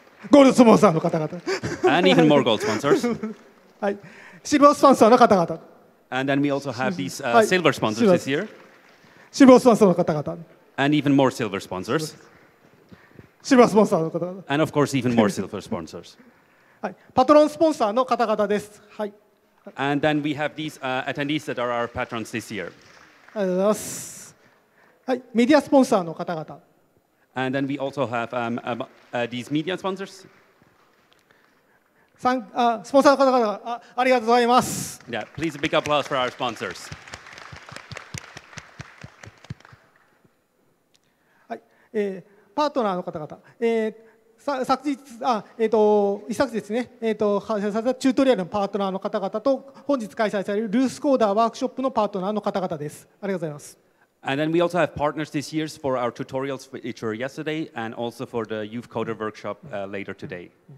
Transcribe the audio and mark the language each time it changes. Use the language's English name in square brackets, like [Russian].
[Japanese] ゴールドスポンサーの方々。 [English] And even more gold sponsors. [Japanese] はい。シルバースポンサーの方々。 [English] And then we also have these, silver sponsors this year. [Japanese] シルバースポンサーの方々。 [English] And even more silver sponsors. [Japanese] シルバースポンサーの方々。 [English] And of course, even more silver sponsors. [Japanese] はい。パトロンスポンサーの方々です。はい。 [English] And then we have these, attendees that are our patrons this year. [Japanese] ありがとうございます。はい。メディアスポンサーの方々。 [English] And then we also have these media sponsors. [Japanese] スポンサーの方々、ありがとうございます。 [English] Yeah, please a big applause for our sponsors. [Japanese] はい、パートナーの方々、昨日、一昨日ですね、開催されたチュートリアルのパートナーの方々と、本日開催されるルースコーダーワークショップのパートナーの方々です。ありがとうございます。 [English] And then we also have partners this year for our tutorials, which were yesterday, and also for the Youth Coder workshop, later today.